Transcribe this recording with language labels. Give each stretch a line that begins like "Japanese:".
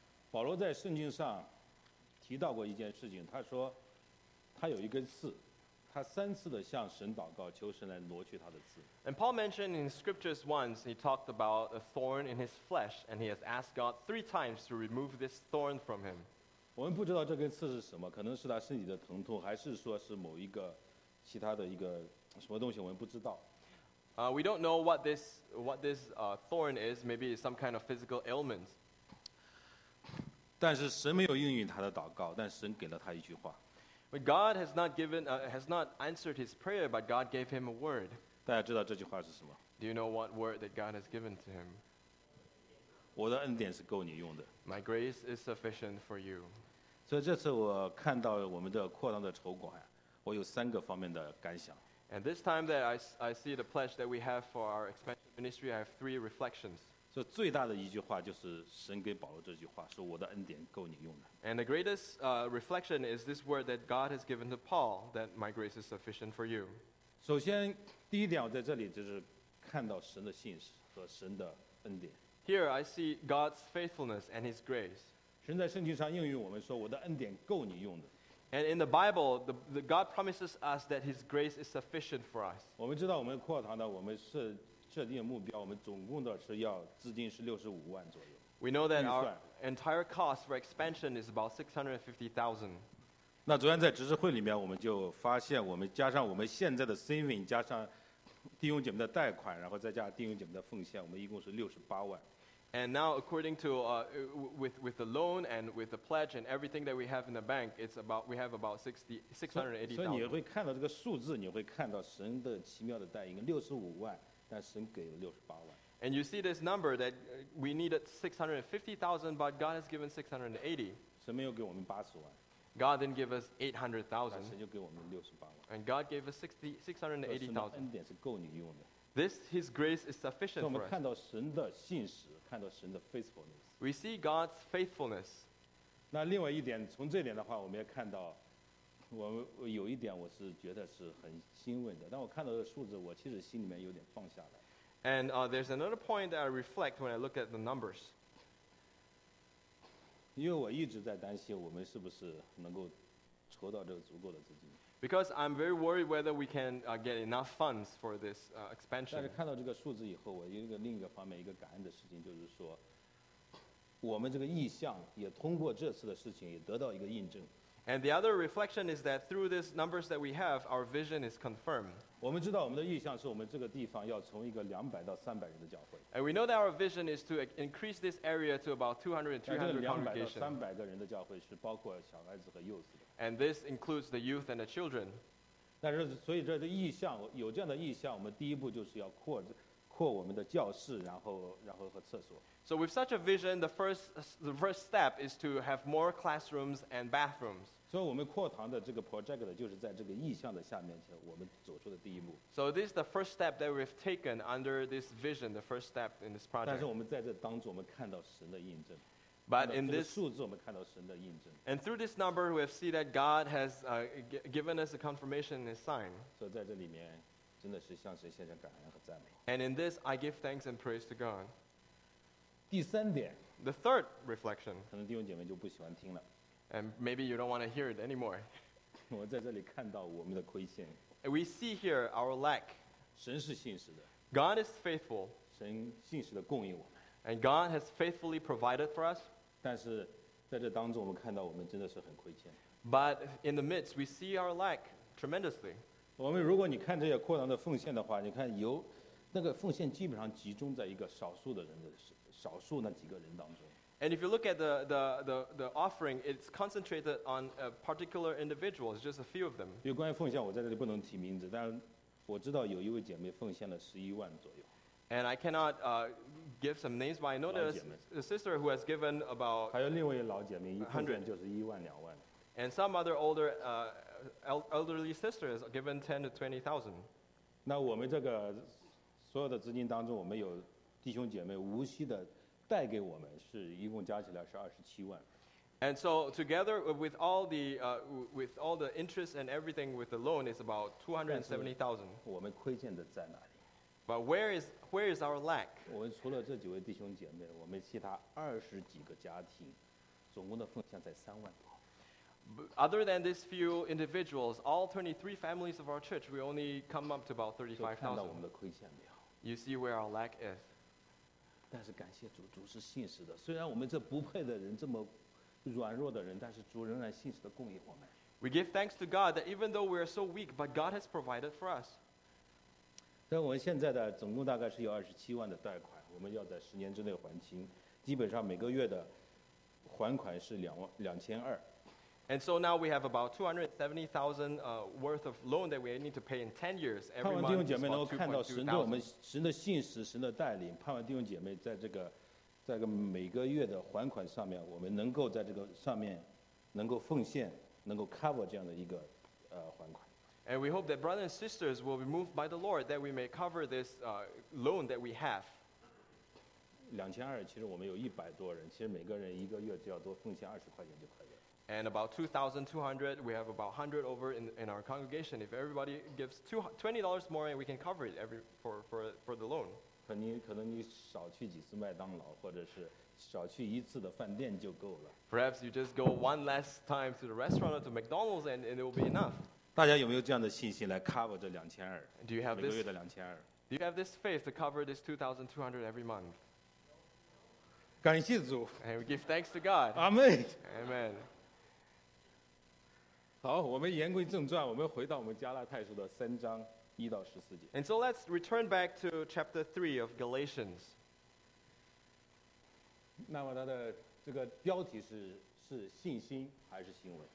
Chinese: 保罗在圣经上提到过一件事情，他说他有一根刺，他三次的向神祷告，求神来挪去他的刺。
English: And Paul mentioned in scriptures once, he talked about a thorn in his flesh, and he has asked God three times to remove this thorn from him.
Chinese: 我们不知道这根刺是什么，可能是他身体的疼痛，还是说是某一个其他的一个什么东西，我们不知道。
English: We don't know what this thorn is. Maybe it's some kind of physical ailment.
Chinese: 但是神没有应允他的祷告，但神给了他一句话。
English: But God has not given, has not answered his prayer, but God gave him a word.
Chinese: 大家知道这句话是什么？
English: Do you know what word that God has given to him?
Chinese: 我的恩典是够你用的。
English: My grace is sufficient for you.
Chinese: 所以这次我看到我们的扩张的筹款，我有三个方面的感想。
English: And this time that I see the pledge that we have for our expansion ministry, I have three reflections.
Chinese: 所以最大的一句话就是神给保罗这句话，说我的恩典够你用的。
English: And the greatest reflection is this word that God has given to Paul, that my grace is sufficient for you.
Chinese: 首先，第一点我在这里就是看到神的信实和神的恩典。
English: Here I see God's faithfulness and His grace.
Chinese: 神在圣经上应允我们说我的恩典够你用的。
English: And in the Bible, the God promises us that His grace is sufficient for us.
Chinese: 我们知道我们扩堂的，我们是设定目标，我们总共的是要资金是65万左右。
English: We know that our entire cost for expansion is about 650,000.
Chinese: 那昨天在执事会里面，我们就发现，我们加上我们现在的 saving， 加上弟兄姐妹的贷款，然后再加弟兄姐妹的奉献，我们一共是68万。
English: And now, according to with the loan and with the pledge and everything that we have in the bank, it's about we have about 680,000.
Chinese: 所以你会看到这个数字，你会看到神的奇妙的带领，65万，但神给了68万。
English: And you see this number that we needed 650,000, but God has given 680.
Chinese: 神没有给我们80万。
English: God didn't give us 800,000.
Chinese: 神就给我们68万。
English: And God gave us 680,000.
Chinese: 恩典是够你用的。
English: This His grace is sufficient for us.
Chinese: 我们看到神的信实。看到神的 faithfulness，
English: we see God's faithfulness。
Chinese: 那另外一点，从这点的话，我们也看到，我有一点我是觉得是很欣慰的。但我看到的数字，我其实心里面有点放下来。
English: And there's another point that I reflect when I look at the numbers。
Chinese: 因为我一直在担心我们是不是能够筹到这个足够的资金。
English: Because I'm very worried whether we can get enough funds for this expansion.
Chinese: 但是看到这个数字以后，我有一个另一个方面一个感恩的事情，就是说，我们这个意向也通过这次的事情也得到一个印证。
English: And the other reflection is that through these numbers that we have, our vision is confirmed.
Chinese: 我们知道我们的意向是我们这个地方要从一个200到300人的教会。
English: And we know that our vision is to increase this area to about 200 and 300 congregations.
Chinese: 这个200到300个人的教会是包括小孩子和幼子的。
English: And this includes the youth and the children.
Chinese: 但是所以这个意向有这样的意向，我们第一步就是要扩我们的教室，然后和厕所。
English: So with such a vision, the first step is to have more classrooms and bathrooms.
Chinese: 所以我们扩堂的这个 project 就是在这个意向的下面，我们走出的第一步。
English: So this is the first step that we've taken under this vision, the first step in this project.
Chinese: 但是我们在这当中，我们看到神的印证。
English: But in this
Chinese: 数字，我们看到神的印证。
English: And through this number, we have seen that God has given us a confirmation and a sign.
Chinese: 所以在这里面，真的是向神献上感恩和赞美。
English: And in this, I give thanks and praise to God.
Chinese: 第三点
English: ，the third reflection，
Chinese: 可能弟兄姐妹就不喜欢听了。
English: And maybe you don't want to hear it anymore.
Chinese: 我在这里看到我们的亏欠。
English: And we see here our lack.
Chinese: 神是信实的。
English: God is faithful.
Chinese: 神信实的供应我们。
English: And God has faithfully provided for us.
Chinese: 但是在这当中，我们看到我们真的是很亏欠。
English: But in the midst, we see our lack tremendously.
Chinese: 我们如果你看这些扩张的奉献的话，你看由那个奉献基本上集中在一个少数的人的少数那几个人当中。
English: And if you look at the offering, it's concentrated on a particular individual, just a few of them.
Chinese: 有关于奉献，我在这里不能提名字，但我知道有一位姐妹奉献了11万左右。
English: And I cannot give some names, but I know there's a sister who has given about
Chinese: 还有另外一位老姐妹，一奉献就是1万2万。
English: And some other older elderly sister has given 10,000 to 20,000.
Chinese: 那我们这个所有的资金当中，我们有弟兄姐妹无息的带给我们，是一共加起来是27万。
English: And so together with all the with all the interest and everything with the loan is about 270,000.
Chinese: 我们亏欠的在哪里
English: ？But where is our lack？
Chinese: 我们除了这几位弟兄姐妹，我们其他20几个家庭，总共的奉献在三万多。
English: Other than these few individuals, all 23 families of our church, we only come up to about 35,000. You see where our lack is.
Chinese: 但是感谢主，主是信实的。虽然我们这不配的人，这么软弱的人，但是主仍然信实的供应我们。
English: We give thanks to God that even though we are so weak, but God has provided for us.
Chinese: 但我们现在的总共大概是有27万的贷款，我们要在十年之内还清。基本上每个月的还款是2,200。
English: And so now we have about 270,000 worth of loan that we need to pay in 10 years. Every month is about 2,200.
Chinese: 神的信实，神的带领，盼望弟兄姐妹在这个，在这个每个月的还款上面，我们能够在这个上面能够奉献，能够 cover 这样的一个还款。
English: And we hope that brothers and sisters will be moved by the Lord that we may cover this loan that we have.
Chinese: 2,200，其实我们有100多人，其实每个人一个月只要多奉献20块钱就可以。
English: And about 2,200, we have about 100 over in our congregation. If everybody gives $20 more, we can cover it for the loan.
Chinese: 可能你少去几次麦当劳，或者是少去一次的饭店就够了。
English: Perhaps you just go one last time to the restaurant or to McDonald's, and it will be enough.
Chinese: 大家有没有这样的信心来 cover 这两千二？每个月的两千二。
English: Do you have this faith to cover this 2,200 every month?
Chinese: 感谢主。
English: And we give thanks to God. Amen. Amen.
Chinese: 好，我们言归正传，我们回到我们加拉太书的3:1-14。
English: And so let's return back to chapter 3 of Galatians.
Chinese: 那么它的这个标题是信心还是行为